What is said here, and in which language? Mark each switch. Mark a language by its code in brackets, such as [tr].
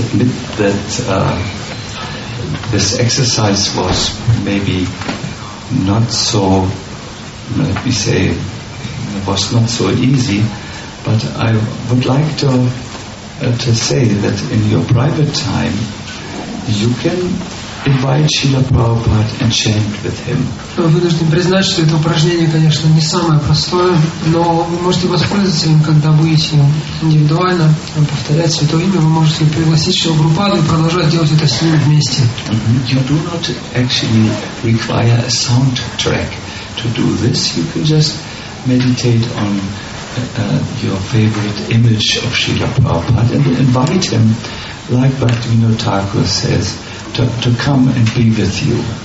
[en] This exercise was maybe not so, let me say, it was not so easy, but I would like to say that in your private time you can invite Srila Prabhupada and chant with him. [ru] Вынужден признать, что это упражнение, конечно, не самое простое, но вы можете воспользоваться им, когда будете индивидуально повторять святое имя, вы можете пригласить Шрилу Прабхупаду и продолжать делать это с ним вместе. [en] You do not actually require a soundtrack to do this. You can just meditate on your favorite image of Srila Prabhupada and invite him, like Bhaktivinoda Thakur says, to come and be with you.